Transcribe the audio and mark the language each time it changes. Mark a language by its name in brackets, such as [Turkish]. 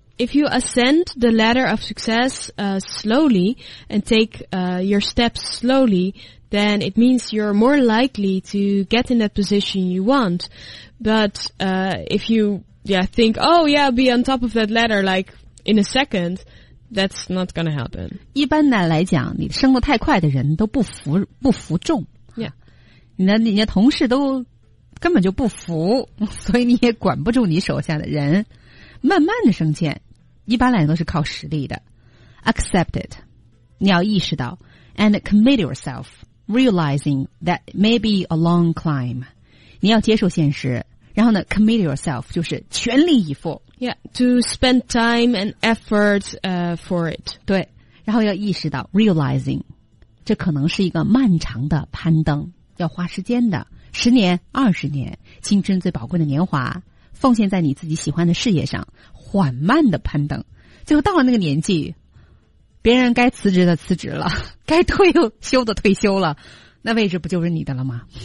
[English] If you ascend the ladder of success slowly and take your steps slowly, then it means you're more likely to get in that position you want. But if you think, oh yeah, I'll be on top of that ladder like in a second, that's not going to happen. [Chinese] 一般的来讲，你升得太快的人都不服众。 [English] Yeah. [Chinese] 你的同事都根本就不服，所以你也管不住你手下的人。慢慢的升迁一般来都是靠实力的。 [English] Accept it, [Chinese] 你要意识到 [English] and commit yourself, realizing that may be a long climb. [Chinese] 你要接受现实，然后呢 [English] commit yourself [Chinese] 就是全力以赴。 [English] Yeah, to spend time and effort for it. [Chinese] 对，然后要意识到 [English] realizing, [Chinese] 这可能是一个漫长的攀登，要花时间的，十年二十年，青春最宝贵的年华奉献在你自己喜欢的事业上，缓慢的攀登，最后到了那个年纪，别人该辞职的辞职了，该退休的退休了，那位置不就是你的了吗？